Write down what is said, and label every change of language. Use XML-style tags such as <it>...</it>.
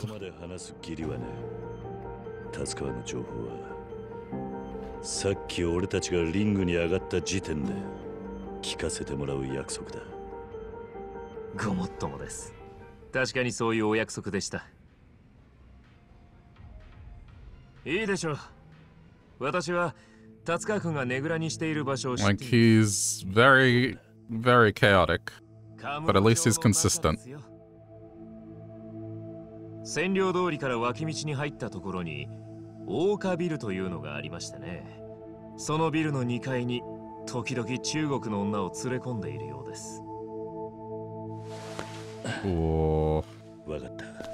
<ja>ここまで話す義理はね、タツカワの情報は、さっき俺たちがリングに上がった時点で聞かせてもらう約束だ。ごもっともです。確かにそういうお約束でした。いいでしょう。私は達川君がねぐらにしている場所を知っている。</ja> <en>Like he's very, very chaotic, but at least he's consistent.</en> <ja>占領通りから脇道に入ったところに大岡ビルというのがありましたね。そのビルの2階に時々中国の女を連れ込んでいるようです。おお。わかった。</ja>